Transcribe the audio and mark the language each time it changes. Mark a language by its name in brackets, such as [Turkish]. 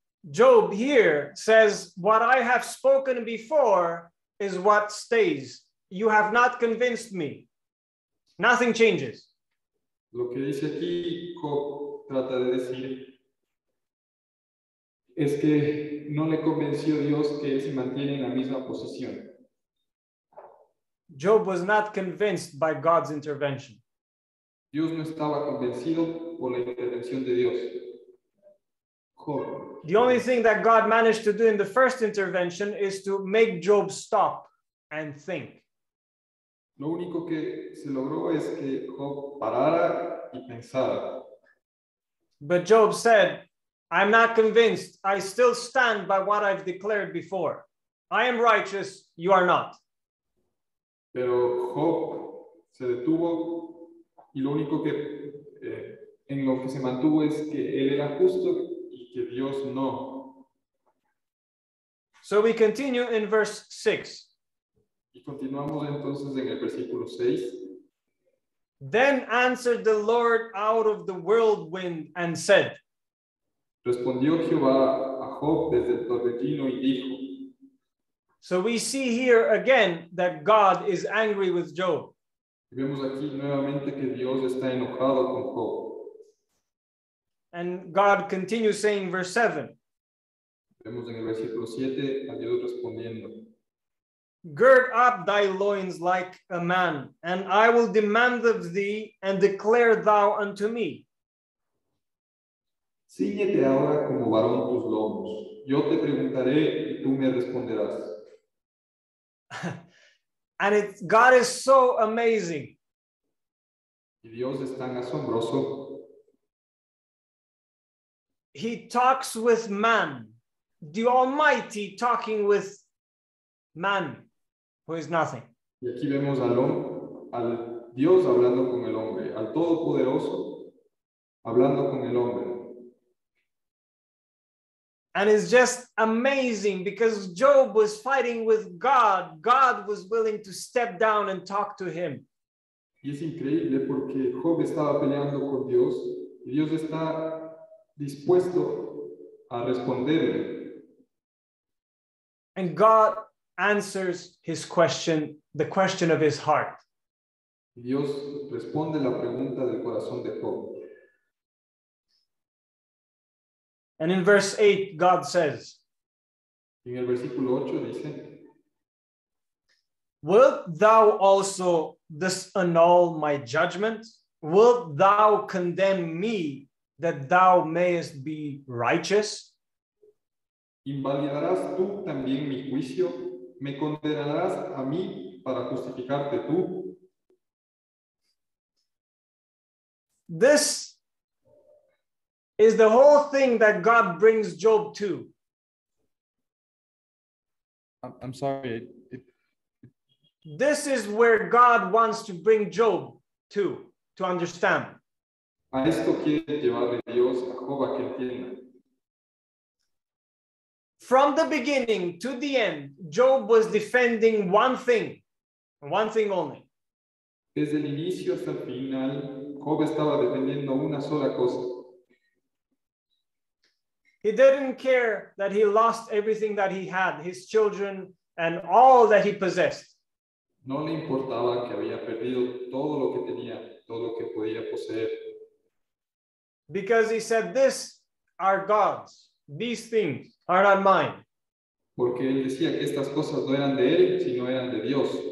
[English] Job here says, what I have spoken before is what stays. You have not convinced me. Nothing changes. [Spanish] Lo que dice aquí, Job trata de decir, es que no le convenció Dios que él se mantiene en la misma posición. [English] Job was not convinced by God's intervention. [Spanish] Dios no estaba convencido por la intervención de Dios. Job. [English] The only thing that God managed to do in the first intervention is to make Job stop and think. [Spanish] Lo único que se logró es que Job parara y pensara. [English] But Job said, I'm not convinced. I still stand by what I've declared before. I am righteous. You are not. [Spanish] Pero Job se detuvo. Y lo único que en lo que se mantuvo es que él era justo y que Dios no. [English] So we continue in verse 6. [Spanish] Y continuamos entonces en el versículo 6. [English] Then answered the Lord out of the whirlwind and said. [Spanish] Respondió Jehová a Job desde el torbellino y dijo. [English] So we see here again that God is angry with Job. [Spanish] Vemos aquí nuevamente que Dios está enojado con Job. [English] And God continues saying, verse 7. [Spanish] Vemos en el versículo 7 a Dios respondiendo. [English] Gird up thy loins like a man, and I will demand of thee, and declare thou unto me. [Spanish] Cíñete ahora como varón tus lomos. Yo te preguntaré y tú me responderás. [English] And God is so amazing. [Spanish] Y Dios es tan asombroso. [English] He talks with man. The Almighty talking with man, who is nothing. [Spanish] Y aquí vemos al Dios hablando con el hombre, al Todopoderoso hablando con el hombre. [English] And it's just amazing because Job was fighting with God. God was willing to step down and talk to him. [Spanish] Y es increíble porque Job estaba peleando con Dios. Y Dios está dispuesto a responderle. [English] And God answers his question, the question of his heart. [Spanish] Y Dios responde la pregunta del corazón de Job. [English] And in verse 8, God says, [Spanish] en el versículo 8 dice, [English] wilt thou also disannul my judgment? Wilt thou condemn me that thou mayest be righteous? [Spanish] ¿Invalidarás tú también mi juicio? ¿Me condenarás a mí para justificarte tú? [English] This is the whole thing that God brings Job to. I'm sorry. This is where God wants to bring Job to understand. [Spanish] A esto quiere llevarle Dios a Job a que entienda. [English] From the beginning to the end, Job was defending one thing only. [Spanish] Desde el inicio hasta el final, Job estaba defendiendo una sola cosa. [English] He didn't care that he lost everything that he had, his children and all that he possessed. [Spanish] No le importaba que había perdido todo lo que tenía, todo lo que podía poseer. [English] Because he said, "These are God's. These things are not mine." [Spanish] Porque él decía que estas cosas no eran de él, sino eran de Dios.